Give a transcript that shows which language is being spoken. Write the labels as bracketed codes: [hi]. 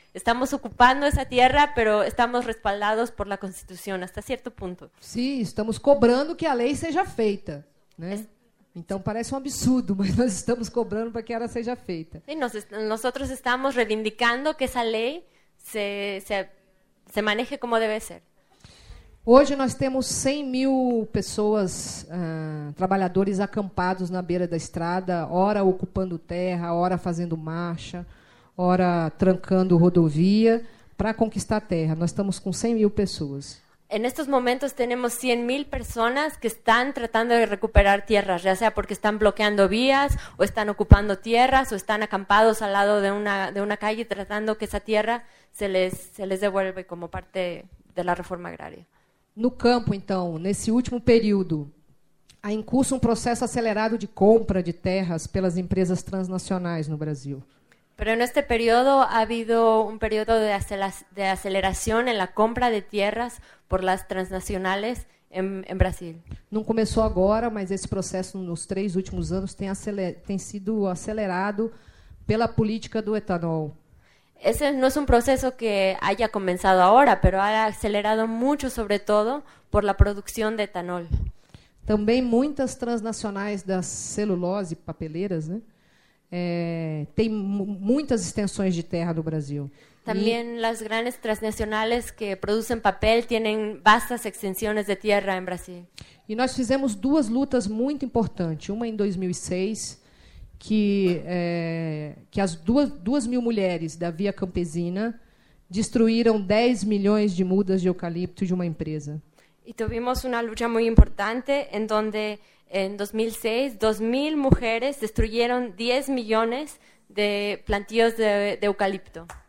[es] Estamos ocupando esa tierra, pero estamos respaldados por la Constitución, hasta cierto punto. Sí, estamos cobrando que la ley sea feita, ¿no? Entonces parece un absurdo, pero estamos cobrando para que ahora sea feita. Sí, nosotros estamos reivindicando que esa ley se maneje como debe ser. [pt] Hoje nós temos 100 mil pessoas, trabalhadores acampados na beira da estrada, ora ocupando terra, ora fazendo marcha, ora trancando rodovia, para conquistar terra. Nós estamos com 100 mil pessoas. [es] En estos momentos tenemos 100 mil personas que están tratando de recuperar tierras, ya sea porque están bloqueando vías, o están ocupando tierras, o están acampados al lado de una calle tratando que esa tierra se les devuelva como parte de la reforma agraria. [pt] No campo, então, nesse último período, há em curso um processo acelerado de compra de terras pelas empresas transnacionais no Brasil. [es] Pero en este período ha habido un período de aceleración en la compra de tierras por las transnacionales en Brasil. [pt] Não começou agora, mas esse processo nos três últimos anos tem sido acelerado pela política do etanol. [es] Ese no es un proceso que haya comenzado ahora, pero ha acelerado mucho, sobre todo, por la producción de etanol. También muchas transnacionales de celulose, papeleras, tienen muchas extensiones de tierra en Brasil. También las grandes transnacionales que producen papel tienen vastas extensiones de tierra en Brasil. Y nosotros hicimos dos lutas muy importantes, una en 2006... [pt] que as duas mil mulheres da Via Campesina destruíram 10 milhões de mudas de eucalipto de uma empresa. E tivemos uma luta muito importante, em donde, em 2006, 2 mil mulheres destruíram 10 milhões de plantios de eucalipto.